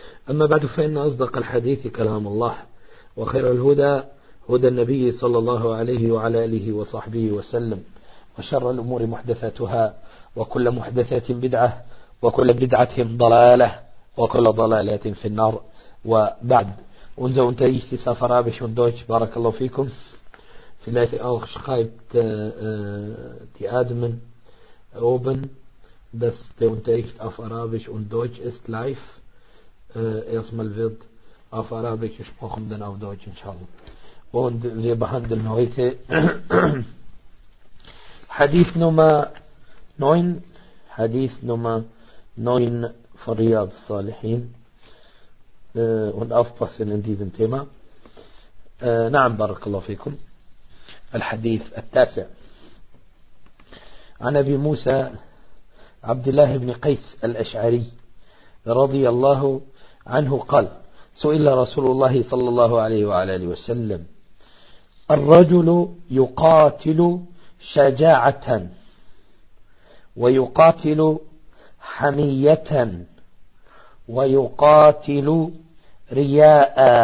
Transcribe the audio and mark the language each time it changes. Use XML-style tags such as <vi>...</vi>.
<ar>أما بعد فإن أصدق الحديث كلام الله وخير الهدى هدى النبي صلى الله عليه وعلى آله وصحبه وسلم وشر الأمور محدثاتها وكل محدثات بدعة وكل بدعة ضلالة وكل ضلالات في النار وبعد أنزو أنتيش سفر أبش وندوش بارك الله فيكم</ar> <de>Vielleicht auch schreibt die Admin oben, dass der Unterricht auf Arabisch und Deutsch ist live. Erstmal wird auf Arabisch gesprochen, dann auf Deutsch, inshallah. Und wir behandeln heute Hadith Nummer 9 von Riyad Salihin. Und aufpassen in diesem Thema.</de> <ar>Na'am, barakallahu fikum. الحديث التاسع عن أبي موسى عبد الله بن قيس الأشعري رضي الله عنه قال سئل رسول الله صلى الله عليه وعلى آله وسلم الرجل يقاتل شجاعة ويقاتل حمية ويقاتل رياء</ar>